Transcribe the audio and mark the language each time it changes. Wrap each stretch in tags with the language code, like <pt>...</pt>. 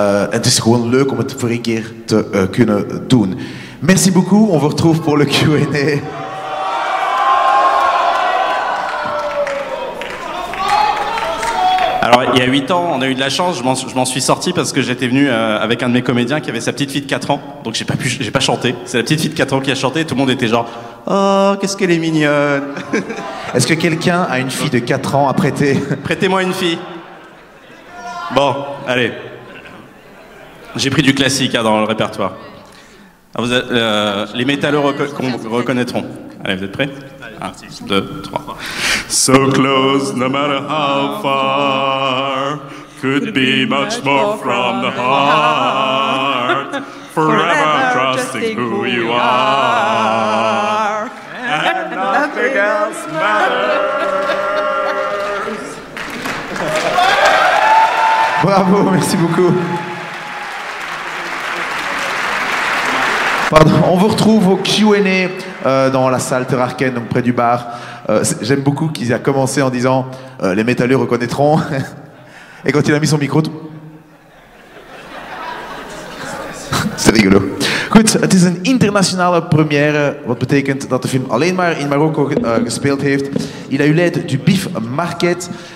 <nl>Het is gewoon leuk om het voor een keer te kunnen doen.</nl> <fr>Merci beaucoup, on vous retrouve pour le Q&A. Alors, il y a 8 ans, on a eu de la chance, je m'en suis sorti parce que j'étais venu avec un de mes comédiens qui avait sa petite fille de 4 ans, donc j'ai pas chanté. C'est la petite fille de 4 ans qui a chanté et tout le monde était genre « Oh, qu'est-ce qu'elle est mignonne !» Est-ce que quelqu'un a une fille de 4 ans à prêter ? Prêtez-moi une fille. Bon, allez. J'ai pris du classique dans le répertoire. Alors, vous êtes, les métalleux reconnaîtront. Allez, vous êtes prêts ? 1, 2, 3.</fr> <en>So close, no matter how far, could be much more from the heart. Forever trusting who you are, and nothing else matters.</en> <fr>Bravo, merci beaucoup. Pardon, on vous retrouve au Q&A dans la salle Terrarken, donc près du bar. J'aime beaucoup qu'il a commencé en disant « les métalleux reconnaîtront ». Et quand il a mis son micro, tout... C'est rigolo.</fr> <nl>Goed, het is een internationale première, wat betekent dat de film alleen maar in Marokko gespeeld heeft.</nl> <fr>Il a eu l'aide du Bif Market.</fr>